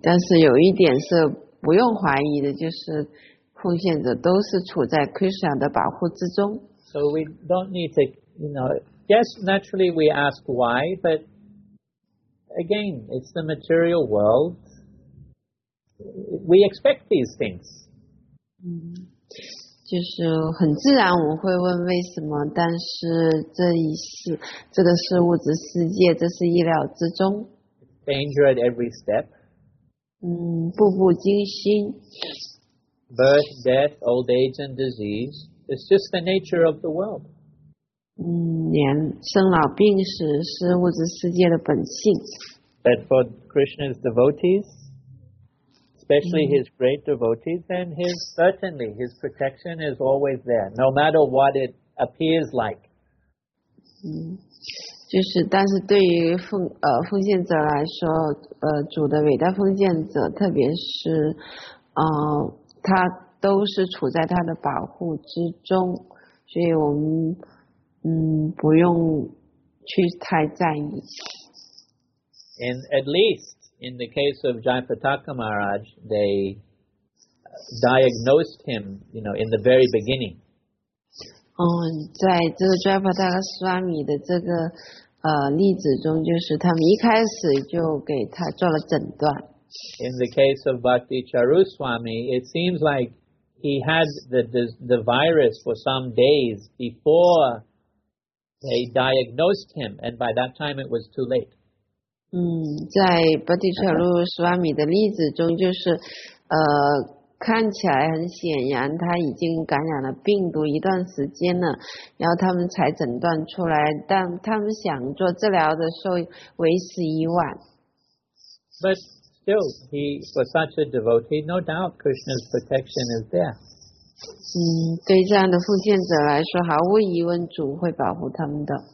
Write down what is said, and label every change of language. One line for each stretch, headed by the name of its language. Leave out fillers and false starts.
Chinese: 但是有一点是。不用怀疑的就是奉献者都是处在 Krishna 的保护之中。
English: So we don't need to, you know, yes, naturally we ask why, but again, it's the material world. We expect these things.
Chinese: 就是很自然我会问为什么，但是这个是物质世界，这是意料之中。
English: Danger at every step.
Chinese: 步步惊心。
English: Birth, death, old age, and disease, it's just the nature of the world.
Chinese: 年生老病死是物质世界的本性。
English: But for Krishna's devotees, especially his great devotees, then his, certainly his protection is always there, no matter what it appears like.
Chinese: 就是但是对于奉献者来说主的伟大奉献者特别是他都是处在他的保护之中所以我们不用去太在意。
English: And at least in the case of Jayapataka Maharaj, they diagnosed him, you know, in the very beginning.
Chinese: 在这个 Jayapataka Swami 的这个例子中就是他们一开始就给他做了诊断。
English: In the case of Bhakti Charu Swami, it seems like he had the virus for some days before they diagnosed him, and by that time it was too late.
Chinese: 在 Bhakti Charu Swami 的例子中就是看起来很显然他已经感染了病毒一段时间了然后他们才诊断出来但他们想做治疗的时候为时已晚。
English: But still, he for such a devotee, no doubt Krishna's protection is there.
Chinese: 对这样的奉献者来说毫无疑问主会保护他们的。